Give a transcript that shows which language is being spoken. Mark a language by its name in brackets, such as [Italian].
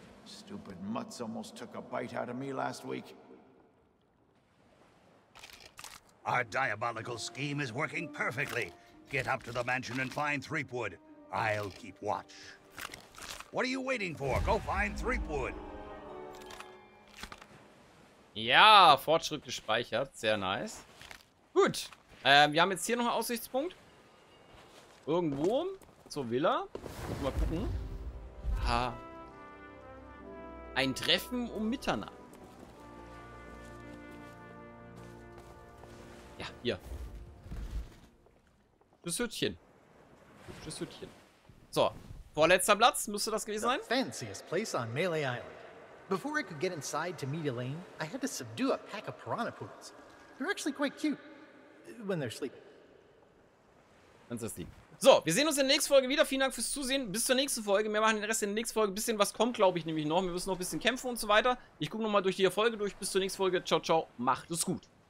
[English] Stupid mutts almost took a bite out of me last week. Our diabolical scheme is working perfectly. Get up to the mansion and find Threepwood. I'll keep watch. What are you waiting for? Go find Threepwood. [German] Ja, Fortschritt gespeichert. Sehr nice. Gut. Wir haben jetzt hier noch einen Aussichtspunkt. Irgendwo zur Villa. Mal gucken. Ha. Ein Treffen um Mitternacht. Ja, hier. Tschüss Hütchen. So, vorletzter Platz müsste das gewesen sein. [English] The fanciest place on Melee Island. Before I could get inside to meet Elaine, I had to subdue a pack of piranha poodles. They're actually quite cute, when they're sleeping. [German] So, wir sehen uns in der nächsten Folge wieder. Vielen Dank fürs Zusehen. Bis zur nächsten Folge. Wir machen den Rest in der nächsten Folge. Bisschen was kommt, glaube ich, nämlich noch. Wir müssen noch ein bisschen kämpfen und so weiter. Ich gucke nochmal durch die Folge durch. Bis zur nächsten Folge. Ciao, ciao. Macht es gut.